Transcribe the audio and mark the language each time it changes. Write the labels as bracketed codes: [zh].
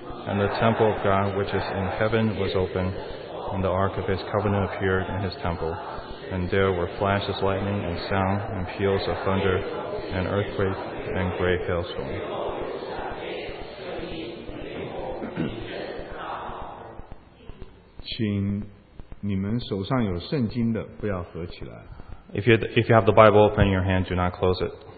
[en] And the temple of God which is in heaven was opened, and the ark of his covenant appeared in his temple. And there were flashes of lightning and sound and peals of thunder and earthquake and great hailstorm. [zh] 请你们手上有圣经的不要合起来。 [en] If you have the Bible open in your hand, do not close it.